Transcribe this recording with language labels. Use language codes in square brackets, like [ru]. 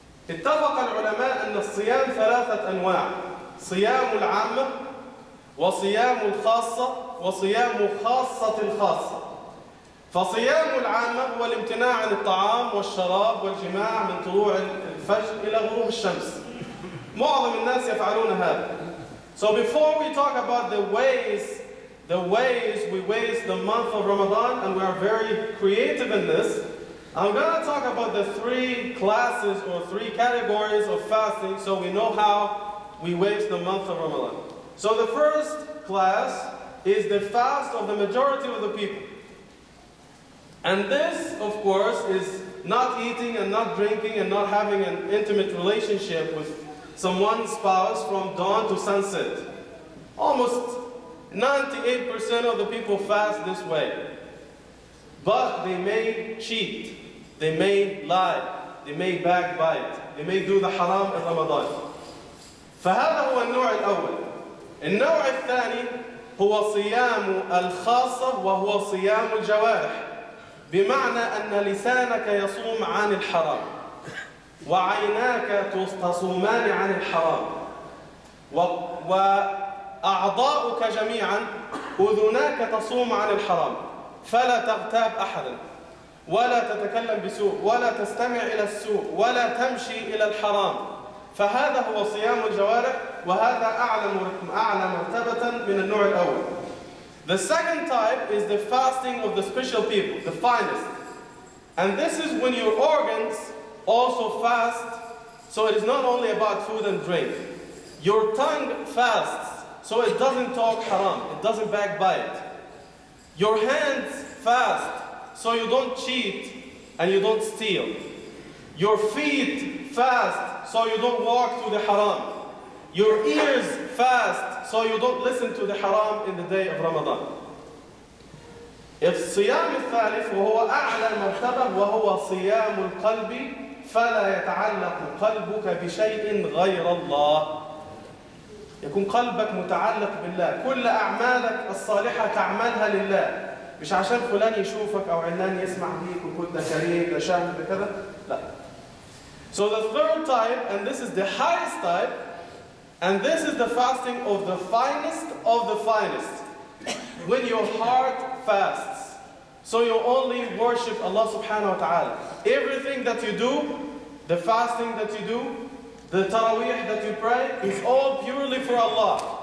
[ar] اتفق العلماء أن الصيام ثلاثة أنواع: صيام العامة وصيام الخاصة وصيام خاصة الخاصة. فصيام العامة هو الامتناع عن الطعام والشراب والجماع من طلوع الفجر إلى غروب الشمس. معظم الناس يفعلون هذا. [en] So before we talk about the ways we waste the month of Ramadan and we are very creative in this, I'm going to talk about the three classes or three categories of fasting so we know how we waste the month of Ramadan. So the first class is the fast of the majority of the people. And this, of course, is not eating and not drinking and not having an intimate relationship with someone's spouse from dawn to sunset. Almost 98% of the people fast this way. But they may cheat. They may lie. they may backbite, they may do the haram in Ramadan. [ar] فهذا هو النوع الأول. النوع الثاني هو صيام الخاصة وهو صيام الجوارح، بمعنى أن لسانك يصوم عن الحرام وعيناك تصومان عن الحرام وأعضاؤك جميعا أذناك تصوم عن الحرام، فلا تغتاب أحدا ولا تتكلم بسوء ولا تستمع إلى السوء ولا تمشي إلى الحرام. فهذا هو صيام الجوارح، وهذا أعلى مرتبة من النوع الأول. [en] The second type is the fasting of the special people, the finest. And this is when your organs also fast, so it is not only about food and drink. Your tongue fasts, so it doesn't talk haram, it doesn't backbite. Your hands fast, so you don't cheat and you don't steal. Your feet fast, so you don't walk to the haram. Your ears fast, so you don't listen to the haram in the day of Ramadan. [ar] If صيام الثالث وهو أعلى مرتبة وهو صيام القلب، فلا يتعلق قلبك بشيء غير الله. يكون قلبك متعلق بالله، كل أعمالك الصالحة تعملها لله، مش عشان فلان يشوفك أو علان يسمع بيك وكنت كريم لشاهد بكذا، لا. [en] So the third type, and this is the highest type, and this is the fasting of the finest of the finest. When your heart fasts, so you only worship Allah subhanahu wa ta'ala. Everything that you do, the fasting that you do, the taraweeh that you pray, is all purely for Allah.